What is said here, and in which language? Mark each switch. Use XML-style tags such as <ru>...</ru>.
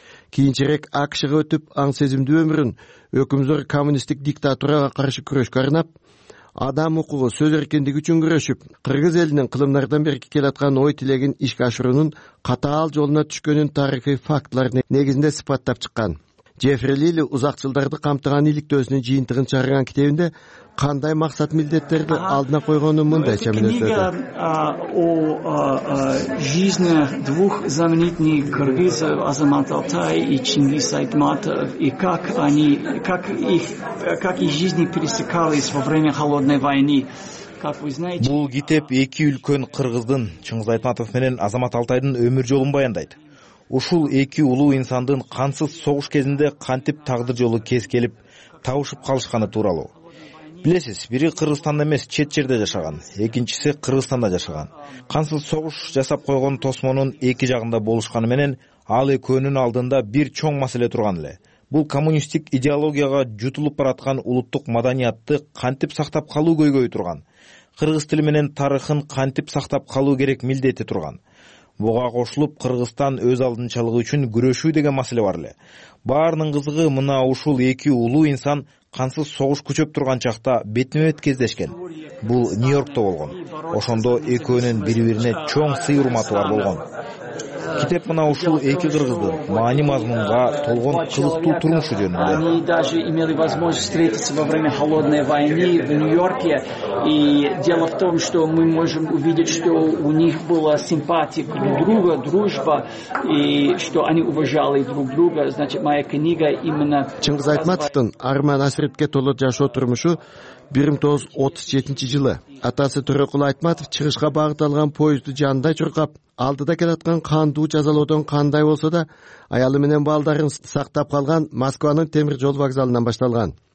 <ky>кийинчерээк АКШга өтүп, аң сезимдүү өмүрүн өкүмзор коммунисттик диктатурага каршы күрөшкө арнап, адам укугу, сөз эркиндиги үчүн күрөшүп, кыргыз элинин кылымдардан берки келаткан ой тилегин ишке ашыруунун катаал жолуна түшкөнүн тарыхый фактылар негизинде сыпаттап чыккан. Джеффри Лили узак жылдарды камтыган иликтөөсүнүн жыйынтыгын чыгарган китебинде кандай максат милдеттерди алдына койгонун мындайча мүнөздөдү.</ky> <ru>О жизни двух знаменитых кыргызов Азамат Алтай и Чингис Айтматов, и как они, как их жизни пересекались во время холодной войны.</ru> <ky>Бул китеп эки үлкөн кыргыздын Чыңгыз Айтматов менен Азамат Алтайдын өмүр жолун баяндайт. Ушул эки улуу инсандын кансыз согуш кезинде кантип тагдыр жолу кез келип табышып калышканы тууралуу. Билесиз, бири Кыргызстанда эмес, чет жерде жашаган, экинчиси Кыргызстанда жашаган. Кансыз согуш жасап койгон тосмонун эки жагында болушканы менен ал экөөнүн алдында бир чоң маселе турган эле. Бул коммунисттик идеологияга жутулуп бараткан улуттук маданиятты кантип сактап калуу көйгөйү турган. Кыргыз тили менен тарыхын кантип сактап калуу керек милдети турган. Буга кошулуп Кыргызстан өз алдынчалыгы үчүн күрөшүү деген маселе бар эле. Баарынын кызыгы мына ушул эки улуу инсан кансыз согуш күчөп турган чакта бетме-бет кездешкен. Бул Нью-Йоркто болгон. Ошондо экөөнүн бири-бирине чоң сый урматы бар болгон. Китеп мына ушул эки кыргызды маани мазмунга толгон кызыктуу турмушу жөнүндө.</ky> <ru>Они даже имели возможность встретиться во время холодной войны в Нью-Йорке. И дело в том, что мы можем увидеть, что у них была симпатия друг друга, дружба, и что они уважали друг друга. Значит, моя книга именно...</ru> <ky>Чыңгыз Айтматовдун арман асиретке толо жашоо турмушу 1937 жылы. Атасы Төрөкул Айтматов чыгышка багытталган поезду жанында чуркап, алдыда келаткан кандуу жазалоодон кандай болсо да, аялы менен балдарын сактап калган Москванын темир жол вокзалынан башталган.</ky>